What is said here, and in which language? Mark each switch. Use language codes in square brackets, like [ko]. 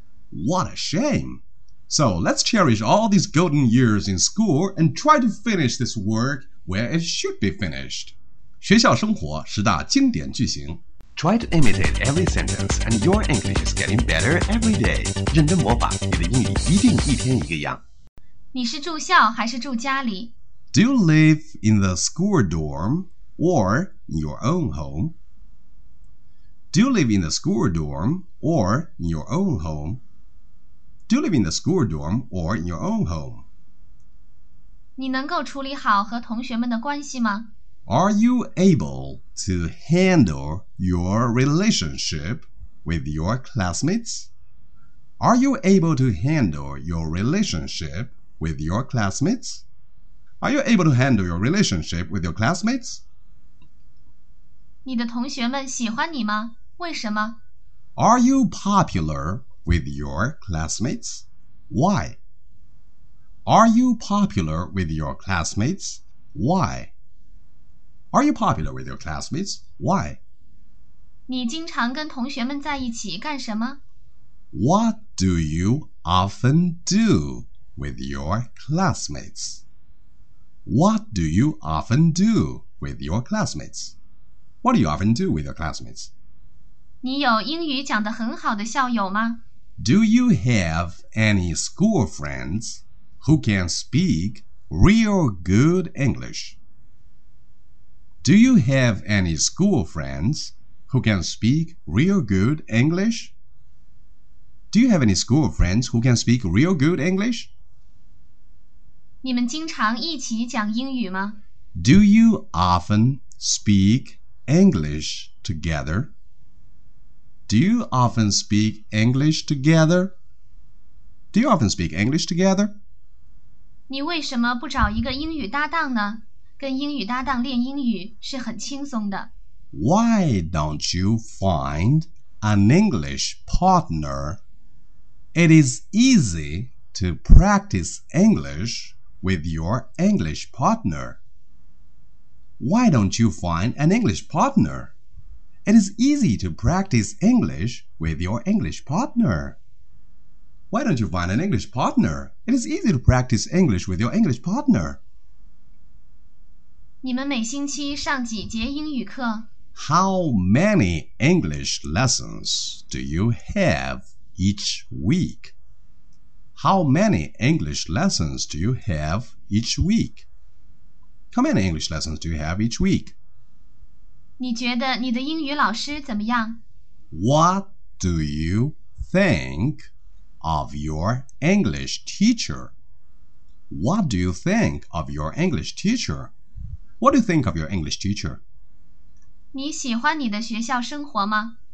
[en] What a shame! So let's cherish all these golden years in school and try to finish this work where it should be finished. [zh] 学校生活十大经典句型。 [en] Try to imitate every sentence and your English is getting better every day. [zh] 认真模仿，你的英语一定一天一个样。你是住校还是住家里？ [en] Do you live in the school dorm or in your own home? Do you live in the school dorm or in your own home? Do you live in the school dorm or in your own home? [zh] 你能够处理好和同学们的关系吗? [en] Are you able to handle your relationship with your classmates? Are you able to handle your relationship with your classmates? Are you able to handle your relationship with your classmates? [zh] 你的同学们喜欢你吗?为什么? [en] Are you popular? With your classmates? Why? Are you popular with your classmates? Why? Are you popular with your classmates? Why? [zh] 你经常跟同学们在一起干什么? [en] What do you often do with your classmates? What do you often do with your classmates? What do you often do with your classmates? [zh] 你有英语讲得很好的校友吗? [en] Do you have any school friends who can speak real good English? Do you have any school friends who can speak real good English? Do you have any school friends who can speak real good English? [zh] 你们经常一起讲英语吗? [en] Do you often speak English together? Do you often speak English together? Do you often speak English together? [zh] 你为什么不找一个英语搭档呢？跟英语搭档练英语是很轻松的。 [en] Why don't you find an English partner? It is easy to practice English with your English partner. Why don't you find an English partner? It is easy to practice English with your English partner. Why don't you find an English partner? It is easy to practice English with your English partner. [zh] 你们每星期上几节英语课？ [en] How many English lessons do you have each week? How many English lessons do you have each week? How many English lessons do you have each week? [zh] 你觉得你的英语老师怎么样？ [en] What do you think? Of your English teacher. What do you think of your English teacher? What do you think of your English teacher? [zh] 你喜欢你的学校生活吗?